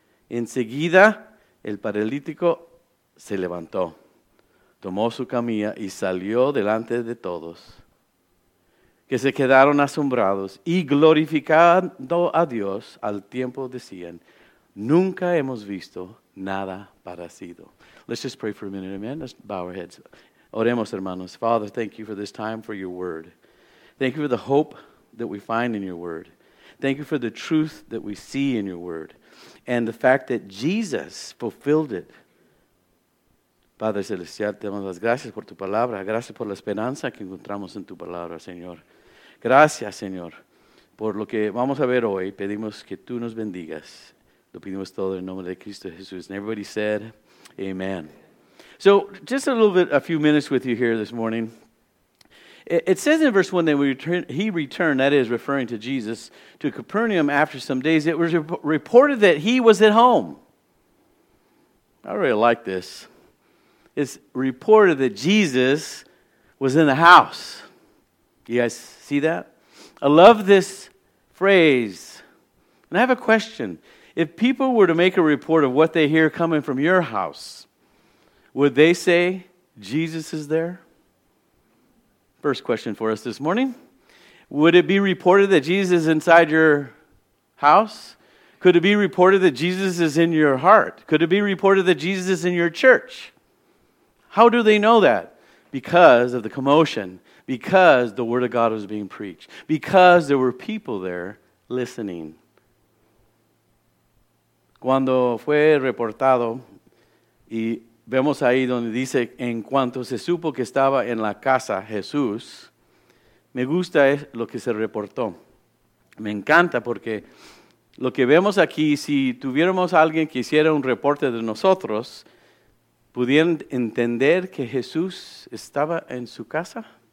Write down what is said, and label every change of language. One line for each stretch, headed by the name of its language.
Spanish: Enseguida, el paralítico se levantó, tomó su camilla y salió delante de todos, que se quedaron asombrados y glorificando a Dios al tiempo decían, 'Nunca hemos visto nada parecido.'"
English: Let's just pray for a minute, amen. Let's bow our heads.
Spanish: Oremos, hermanos.
English: Father, thank you for this time, for your word. Thank you for the hope that we find in your word. Thank you for the truth that we see in your word. And the fact that Jesus fulfilled it.
Spanish: Padre Celestial, te damos las gracias por tu palabra. Gracias por la esperanza que encontramos en tu palabra, Señor. Gracias, Señor, por lo que vamos a ver hoy. Pedimos que tú nos bendigas. Lo pedimos todo en nombre de Cristo Jesús.
English: And everybody said, amen. So, just a few minutes with you here this morning. It says in verse 1 that he returned, that is referring to Jesus, to Capernaum after some days. It was reported that he was at home. I really like this. It's reported that Jesus was in the house. You guys see that? I love this phrase. And I have a question. If people were to make a report of what they hear coming from your house, would they say Jesus is there? First question for us this morning. Would it be reported that Jesus is inside your house? Could it be reported that Jesus is in your heart? Could it be reported that Jesus is in your church? How do they know that? Because of the commotion, because the word of God was being preached, because there were people there listening.
Spanish: Cuando fue reportado, y vemos ahí donde dice, en cuanto se supo que estaba en la casa Jesús, me gusta lo que se reportó. Me encanta porque lo que vemos aquí, si tuviéramos a alguien que hiciera un reporte de nosotros, ¿pudieran entender que Jesús estaba en su casa?